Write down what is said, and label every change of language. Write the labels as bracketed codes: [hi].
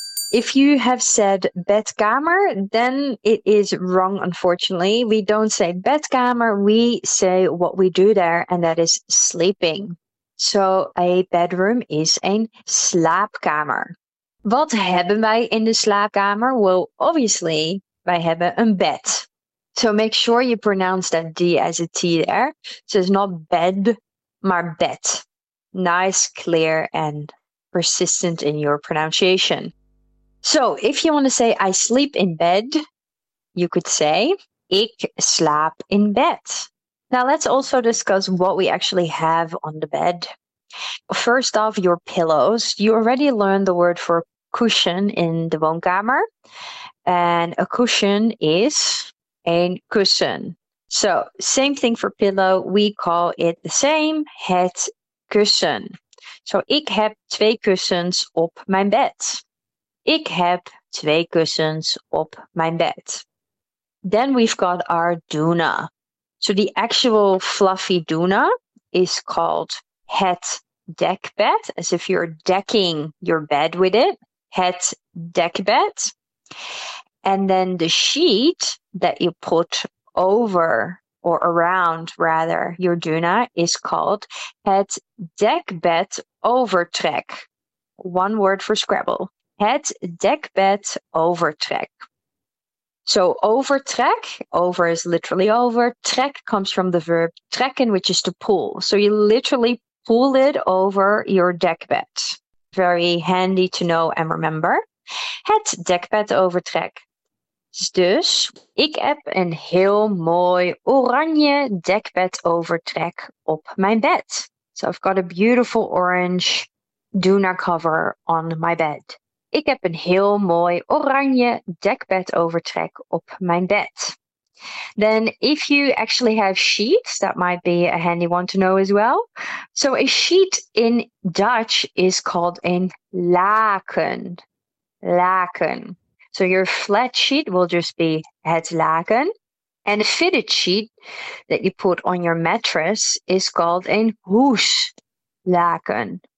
[en] If you have said bedkamer, then it is wrong, unfortunately. We don't say bedkamer, we say what we do there, and that is sleeping. So a bedroom is een slaapkamer. [nl] Wat hebben wij in de slaapkamer? [en] Well, obviously, [nl] wij hebben een bed. [en] So make sure you pronounce that D as a T there. So it's not bed, [nl] maar bed. [en] Nice, clear, and persistent in your pronunciation. So if you want to say, I sleep in bed, you could say, [nl] ik slaap in bed. [en] Now let's also discuss what we actually have on the bed. First off, your pillows. You already learned the word for cushion in de woonkamer. And a cushion is een kussen. So, same thing for pillow. We call it the same, het kussen. [nl] So, ik heb twee kussens op mijn bed. Ik heb twee kussens op mijn bed. [en] Then we've got our doona. So, the actual fluffy doona is called het dekbed, as if you're decking your bed with it. Het dekbed. And then the sheet that you put over or around, rather, your doona is called het dekbed overtrek. One word for Scrabble. Het dekbed overtrek. So overtrek, over is literally over. Trek comes from the verb trekken, which is to pull. So you literally pull it over your dekbed. Very handy to know and remember. Het dekbed overtrek. [nl] Dus, ik heb een heel mooi oranje dekbed overtrek op mijn bed. [en] So, I've got a beautiful orange doona cover on my bed. [nl] Ik heb een heel mooi oranje dekbed overtrek op mijn bed. [en] Then, if you actually have sheets, that might be a handy one to know as well. So, a sheet in Dutch is called een laken. Laken. So, your flat sheet will just be het laken. And a fitted sheet that you put on your mattress is called een hoes laken.